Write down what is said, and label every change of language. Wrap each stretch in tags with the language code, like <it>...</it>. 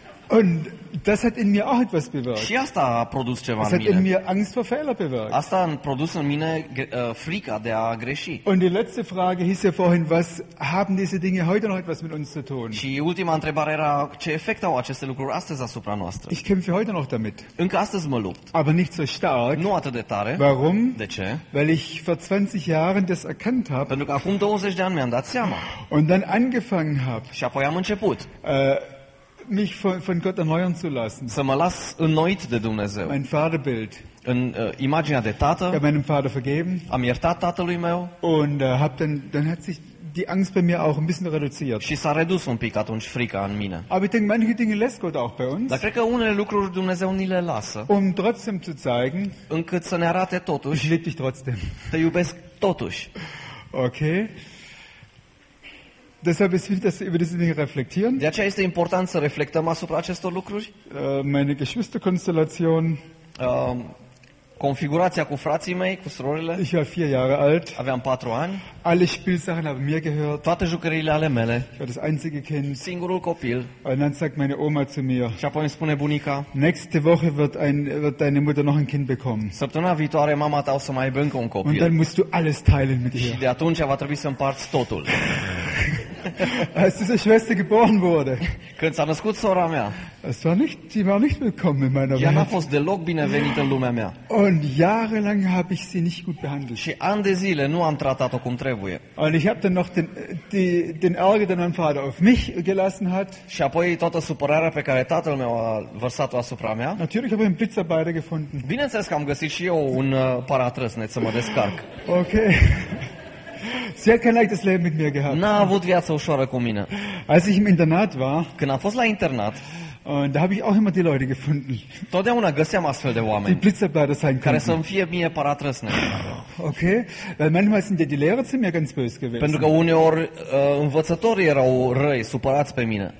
<de>Und das hat in mir auch etwas bewirkt.</de> <ro>Și asta a produs ceva în mine.</ro> <de>Hat in mir Angst vor Fehler bewirkt.</de> <ro>Asta a produs în mine frica de a greși.</ro> <de>Und die letzte Frage hieß ja vorhin, was haben diese Dinge heute noch etwas mit uns zu tun?</de> <ro>Și ultima întrebare era ce efect au aceste lucruri astăzi asupra noastră?</ro> <de>Ich kämpfe heute noch damit.</de> <ro>Încă astăzi mă lupt.</ro> <de>Aber nicht so stark.</de> <ro>Nu atât de tare.</ro> <de>Warum?</de> <ro>De ce?</ro> <de>Weil ich vor 20 Jahren das erkannt habe.</de> <ro>Pentru că acum 20 de ani mi-am dat seama.</ro> <de>Und dann angefangen habe.</de> <ro>Și apoi am început.</ro> <de>Mich von Gott erneuern zu lassen.</de> <ro>Să mă las înnoit de Dumnezeu.</ro> <de>Mein Vaterbild.</de> <ro>În imaginea de tată.</ro> <de>Ja, meinem Vater vergeben.</de> <ro>Am iertat tatălui meu.</ro> <de>Und hab dann hat sich die Angst bei mir auch ein bisschen reduziert.</de> <ro>Și s-a redus un pic atunci frica în mine.</ro> <de>Aber ich denke, manche Dinge lässt Gott auch bei uns.</de> <ro>Dar cred că unele lucruri Dumnezeu ni le lasă.</ro> <de>Um trotzdem zu zeigen.</de> <ro>Încât să ne arate totuși.</ro> <de>Ich liebe dich trotzdem.</de> <ro>Te iubesc totuși. Okay.</ro> <de>Deshalb ist wichtig, dass wir über diese Dinge reflektieren.</de> <ro>De aceea este important să reflectăm asupra acestor lucruri.</ro> <de>Meine Geschwisterkonstellation.</de> <ro>Configurația cu frații mei, cu surorile.</ro> <de>Ich war 4 Jahre alt.</de> <ro>Aveam 4 ani.</ro> <de>Alle Spielsachen haben mir gehört.</de> <ro>Toate jucăriile ale mele.</ro> <de>Ich war das einzige Kind.</de> <ro>Singurul copil.</ro> <de>Und dann sagt meine Oma zu mir.</de> <ro>Și apoi îmi spune bunica.</ro> <de>Nächste Woche wird deine Mutter noch ein Kind bekommen.</de> <ro>Săptămâna viitoare mama ta o să mai aibă încă un copil.</ro> <de>Und dann musst du alles teilen mit ihr.</de> <ro>Și de atunci va trebui să împarți totul.</ro> <de>Als diese Schwester geboren wurde. Könnt ihr das gut</de> <ro>sora mea?</ro> <de>Es war nicht, sie war nicht willkommen in meiner Welt. Ja,</de> <ro>fost deloc binevenit în lumea mea.</ro> <de>Und jahrelang habe ich sie nicht gut behandelt.</de> <ro>Și ani de zile nu am tratat-o cum trebuie.</ro> <de>Und ich habe dann noch den Ärger, den mein Vater auf mich gelassen hat.</de> <ro>Și apoi toată supărarea pe care tatăl meu a vărsat-o asupra mea.</ro> <de>Natürlich habe ich einen Blitzarbeiter gefunden.</de> <ro>Bineînțeles că am găsit și eu un paratrăsnet să mă descarc. Okay.</ro> <de>Sie hat kein leichtes Leben mit mir gehabt.</de> <ro>N-a avut viață ușoară cu mine.</ro> <de>Als ich im Internat war,</de> <ro>când a fost la internat,</ro> <de>da habe ich auch immer die Leute gefunden.</de> <ro>Totdeauna găseam astfel de oameni.</ro> <de>Die Blitzableiter sein</de> <ro>care să -mi fie mie paratrăsnet.</ro> <de>Okay, weil manchmal sind ja die Lehrer zu mir ganz böse gewesen.</de> <ro>Pentru că uneori învățătorii erau răi, supărați pe mine.</ro>